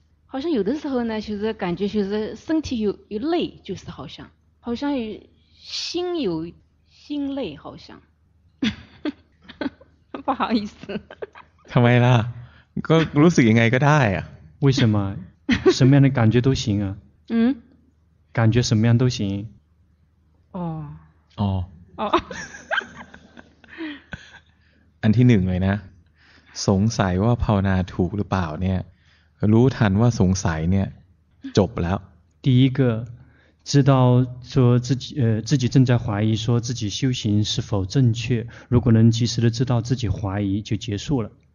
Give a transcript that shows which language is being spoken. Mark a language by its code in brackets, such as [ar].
[zh] 好像有的时候呢就是感觉就是身体有累就是好像有心有心累好像不好意思 [th] ทำไมล่ะก็รู้สึกยังไงก็ได้อะ [zh] 为什么什么样的感觉都行啊感觉什么样都行哦哦哦 [th] อันที่หนึ่งเลยนะสงสัยว่าภาวนาถูกหรือเปล่าเนี่ยรู้ทันว่าสงสัยเนี่ยจบแล้ว [zh] 第一个知道说自己正在怀疑说自己修行是否正确如果能及时的知道自己怀疑就结束了